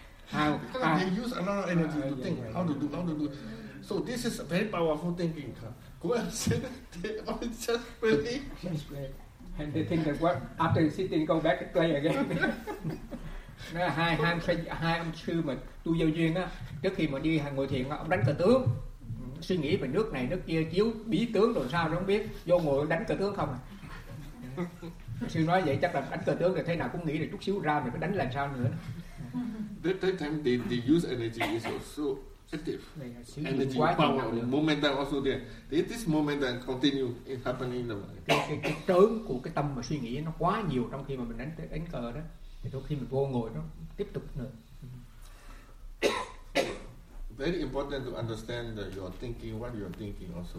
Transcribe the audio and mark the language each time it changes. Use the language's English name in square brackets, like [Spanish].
[English] They use a lot of energy to think how to do. So this is a very powerful thinking. Go and sit there on chess play. And they think that what after sitting, go back and play again. [Vietnamese] Nó là hai ông sư mà tu vô duyên á, trước khi mà đi hàng ngồi thiền ông đánh cờ tướng, suy nghĩ về nước này nước kia chiếu bí tướng rồi sao nó không biết, vô ngồi đánh cờ tướng không à. Sư nói vậy chắc là đánh cờ tướng thì thế nào cũng nghĩ là chút xíu ra rồi phải đánh làm sao nữa. [English] That time they use energy is also active. Energy, power, momentum also there. This momentum continue happening in the mind. [Vietnamese] Cái trớn của cái tâm mà suy nghĩ nó quá nhiều trong khi mà mình đánh đánh cờ đó, thì đôi khi mình vô ngồi nó tiếp tục nữa. [English] Very important to understand that you're thinking what you're thinking also.